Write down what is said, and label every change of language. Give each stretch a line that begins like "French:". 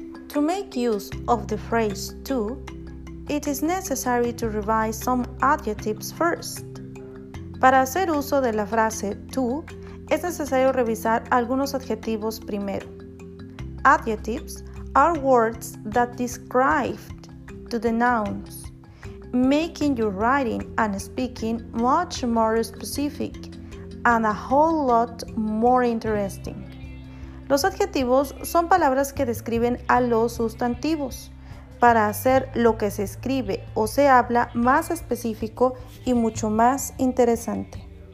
English: To make use of the phrase to, it is necessary to revise some adjectives first.
Spanish: Para hacer uso de la frase to, es necesario revisar algunos adjetivos primero.
English: Adjectives are words that describe to denounce, making your writing and speaking much more specific and a whole lot more interesting.
Spanish: Los adjetivos son palabras que describen a los sustantivos para hacer lo que se escribe o se habla más específico y mucho más interesante.